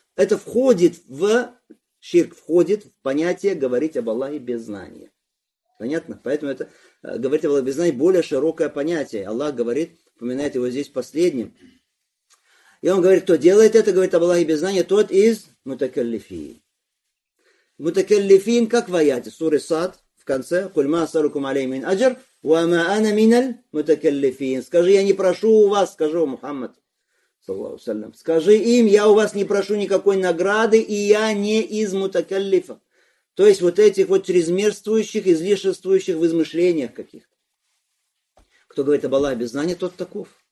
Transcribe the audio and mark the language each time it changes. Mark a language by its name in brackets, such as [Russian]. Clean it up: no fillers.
[Russian] Это входит в ширк, входит в понятие говорить об Аллахе без знания. Понятно? Поэтому это говорить об Аллахе без знания – более широкое понятие. Аллах говорит, упоминает его здесь последним. И он говорит, кто делает это, говорит об Аллахе без знания, тот из мутакаллифин. Мутакаллифин, как в аяте, суры Сад. В конце, [Arabic] قُلْ مَا أَسْأَلُكُمْ عَلَيْهِ مِنْ أَجْرٍ وَمَا أَنَا مِنَ الْمُتَكَلِّفِينَ. [Russian] Скажи, я не прошу у вас, скажи у Мухаммад, саллаллаху алейхи, скажи им, я у вас не прошу никакой награды, и я не из мутакаллифов. То есть вот этих вот чрезмерствующих, излишествующих в измышлениях каких-то. Кто говорит об Аллахе без знания, тот таков.